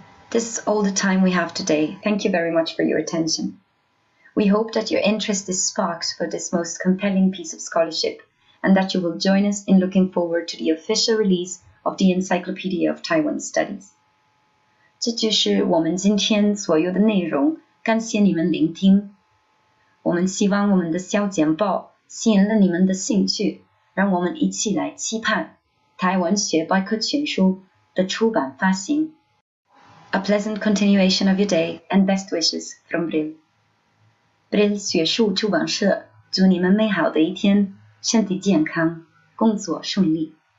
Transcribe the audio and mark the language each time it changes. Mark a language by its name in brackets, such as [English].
[English] This is all the time we have today. Thank you very much for your attention. We hope that your interest is sparked for this most compelling piece of scholarship and that you will join us in looking forward to the official release of the Encyclopedia of Taiwan Studies. [Chinese] 这就是我们今天所有的内容，感谢你们聆听。我们希望我们的小简报吸引了你们的兴趣，让我们一起来期盼《台湾学百科全书》的出版发行。 [English] A pleasant continuation of your day and best wishes from Brill. [Chinese] Brill 学术出版社祝你们美好的一天，身体健康，工作顺利。